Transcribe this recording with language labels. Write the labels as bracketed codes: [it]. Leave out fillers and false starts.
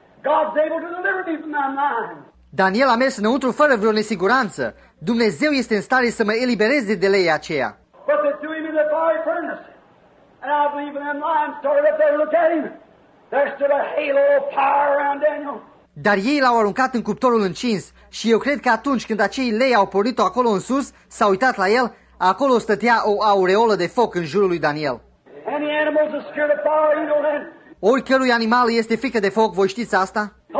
[en] God's able to deliver me from my mind. [ro] Daniel a mers înăuntru fără vreo nesiguranță. Dumnezeu este în stare să mă elibereze de leia aceea. [en] But they threw him in the fiery furnace. And I believe them lions started up there to look at him. There stood a halo of power around Daniel. [ro] Dar ei l-au aruncat în cuptorul încins și eu cred că atunci când acei lei au pornit-o acolo în sus, s-au uitat la el, acolo stătea o aureolă de foc în jurul lui Daniel. [en] Any animals are scared of fire, you know that? [ro] Oricărui animal este frică de foc, voi știți asta?